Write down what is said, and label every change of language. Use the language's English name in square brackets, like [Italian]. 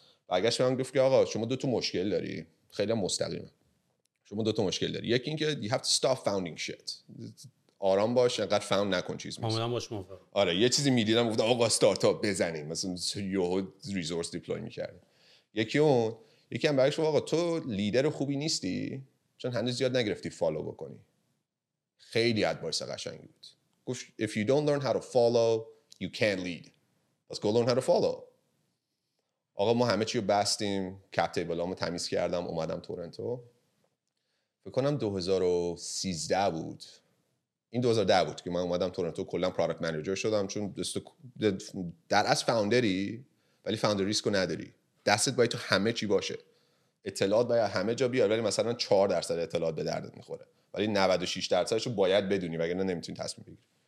[Persian] برگشت به من گفت که آقا شما دو تا مشکل داری، خیلی مستقیم شما دو تا مشکل داری، یکی اینکه [English] you have to stop founding shit، [Persian] آرام باش، انقدر فاوند نکن چیز میسه. آمدن باش موفق. آره یه چیزی میدیدم گفتم آقا استارتاپ بزنیم، مثلا یهو ریسورس دیپلوی میکرد. یکی اون، یکی هم برعکس، آقا تو لیدر خوبی نیستی چون هنوز زیاد نگرفتی فالو بکنی. خیلی ادوایس قشنگی بود، گفت [English] if you don't learn how to follow [Persian] you can't lead، let's go learn how to follow. آقا ما همه چی رو بستیم، کپ تیبلامو تمیز کردم، اومدم تورنتو. فکر کنم 2013 بود، این 2010 بود که من اومدم تورنتو کلا پرادکت منیجر شدم، چون در اصل فاوندری ولی فاوندر ریسک نداری، دستت باید تو همه چی باشه، اطلاعات باید همه جا بیار، ولی مثلا 4% اطلاعات به دردت میخوره، ولی 96%شو باید بدونی وگرنه نمیتونی تصمیم بگیری.